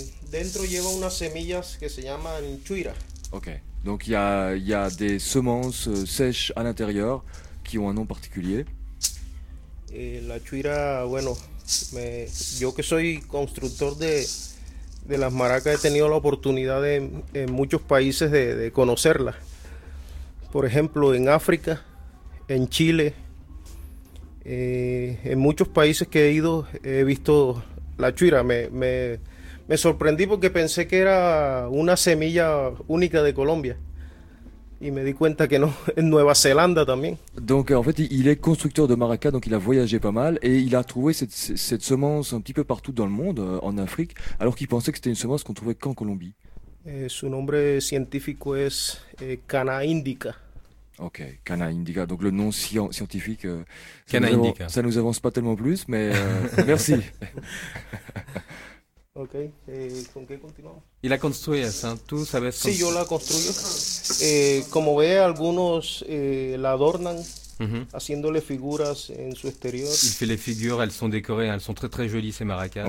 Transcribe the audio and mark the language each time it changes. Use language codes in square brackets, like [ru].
[es] Dentro lleva unas semillas que se llaman chuira. [fr] Ok, donc il y a des semences sèches à l'intérieur qui ont un nom particulier. [es] La chuira, bueno, yo que soy constructor de las maracas, he tenido la oportunidad de en muchos países de conocerla. Por ejemplo, en África, en Chile, en muchos países que he ido he visto la chuira. Me sorprendí porque pensé que era una semilla única de Colombia. Y me di cuenta que no, en Nueva Zelanda también. [fr] Donc en fait, il est constructeur de maraca, donc il a voyagé pas mal et il a trouvé cette semence un petit peu partout dans le monde, en Afrique, alors qu'il pensait que c'était une semence qu'on trouvait qu'en Colombie. [es] Su nombre científico es Canna indica. [fr] Ok, Canna indica, donc le nom scientifique. Canna indica. Ça nous avance pas tellement plus, mais merci. [es] Ok, ¿con qué continuamos? ¿Y la construyes? ¿Eh? ¿Tú sabes? Sí, yo la construyo. Como ve, algunos la adornan, uh-huh, haciéndole figuras en su exterior. [fr] Il fait les figures, elles sont décorées, elles sont très très jolies ces maracas.